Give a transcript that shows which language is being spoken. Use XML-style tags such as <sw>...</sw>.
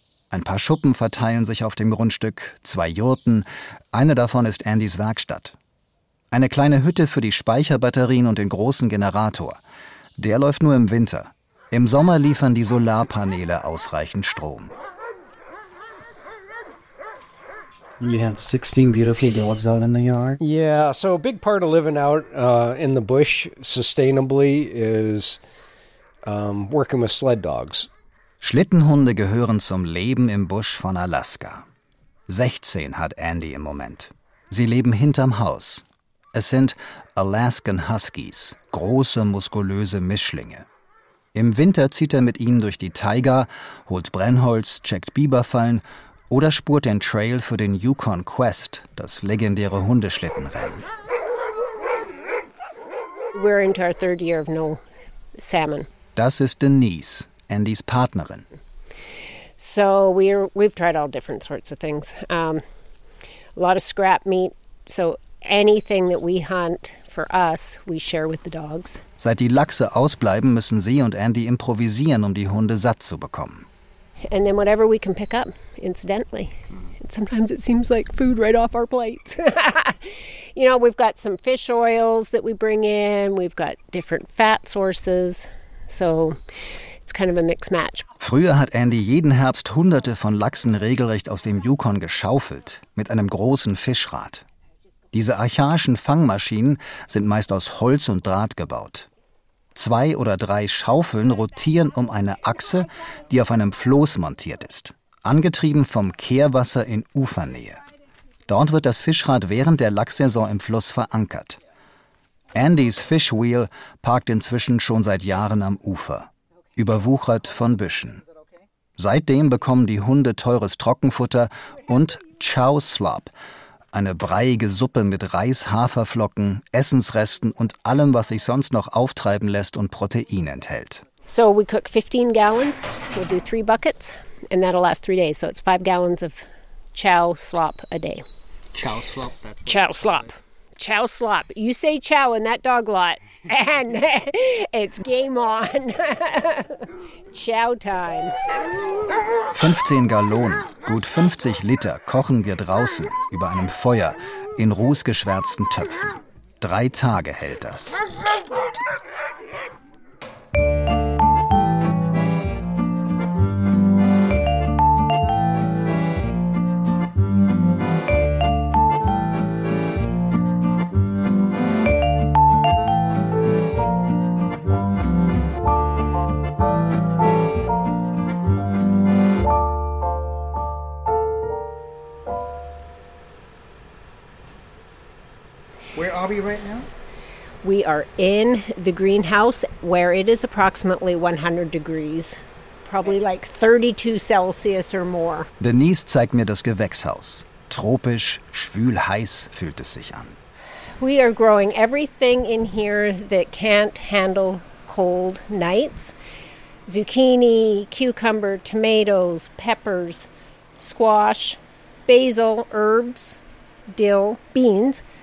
<de>Ein paar Schuppen verteilen sich auf dem Grundstück, 2 Jurten. Eine davon ist Andys Werkstatt. Eine kleine Hütte für die Speicherbatterien und den großen Generator. Der läuft nur im Winter. Im Sommer liefern die Solarpaneele ausreichend Strom.</de> <en>You have 16 beautiful dogs out in the yard. Yeah, so a big part of living out in the bush sustainably is working with sled dogs.</en> <de>Schlittenhunde gehören zum Leben im Busch von Alaska. 16 hat Andy im Moment. Sie leben hinterm Haus. Es sind Alaskan Huskies, große, muskulöse Mischlinge. Im Winter zieht er mit ihnen durch die Taiga, holt Brennholz, checkt Biberfallen oder spurt den Trail für den Yukon Quest, das legendäre Hundeschlittenrennen.</de> <en>We're into our third year of no salmon.</en> <de>Das ist Denise, Andys Partnerin.</de> <en>So we've tried all different sorts of things. A lot of scrap meat. So anything that we hunt for us, we share with the dogs.</en> <de>Seit die Lachse ausbleiben, müssen sie und Andy improvisieren, um die Hunde satt zu bekommen.</de> <en>And then whatever we can pick up, incidentally. Sometimes it seems like food right off our plates. You know, we've got some fish oils that we bring in. We've got different fat sources. So it's kind of a mixed match.</en> <de>Früher hat Andy jeden Herbst hunderte von Lachsen regelrecht aus dem Yukon geschaufelt, mit einem großen Fischrad. Diese archaischen Fangmaschinen sind meist aus Holz und Draht gebaut. Zwei oder drei Schaufeln rotieren um eine Achse, die auf einem Floß montiert ist, angetrieben vom Kehrwasser in Ufernähe. Dort wird das Fischrad während der Lachssaison im Fluss verankert. Andys Fishwheel parkt inzwischen schon seit Jahren am Ufer, überwuchert von Büschen. Seitdem bekommen die Hunde teures Trockenfutter und Chow Slop, eine breiige Suppe mit Reis, Haferflocken, Essensresten und allem, was sich sonst noch auftreiben lässt und Protein enthält.</de> <en>So we cook 15 gallons, we'll do 3 buckets and that'll last 3 days. So it's 5 gallons of chow slop a day. Chow slop, that's chow slop. Chow slop. You say chow in that dog lot and it's game on. Chow time.</en> <de>15 Gallonen, gut 50 Liter, kochen wir draußen über einem Feuer in rußgeschwärzten Töpfen. 3 Tage hält das.</de> <en>We are in the greenhouse where it is approximately 100 degrees, probably like 32 Celsius or more.</en> <de>Denise zeigt mir das Gewächshaus. Tropisch, schwülheiß fühlt es sich an.</de> <en>We are growing everything in here that can't handle cold nights. Zucchini, cucumber, tomatoes, peppers, squash, basil, herbs, dill, beans.</en>